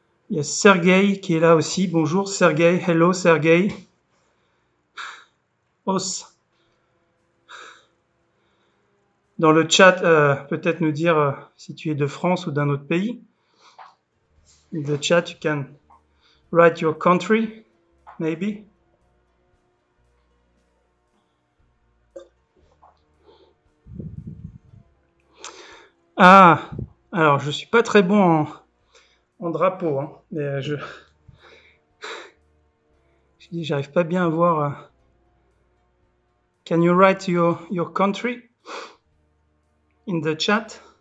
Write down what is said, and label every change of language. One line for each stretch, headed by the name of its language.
French: Il y a Sergei qui est là aussi. Bonjour Sergei.
English: Hello Sergei. Os.
French: Dans le chat, peut-être nous dire si tu es de France ou d'un autre pays.
English: In the chat, you can write your country, maybe.
French: Ah, alors je suis pas très bon en drapeau, hein, mais je dis, j'arrive pas bien à voir.
English: Can you write your country in the chat?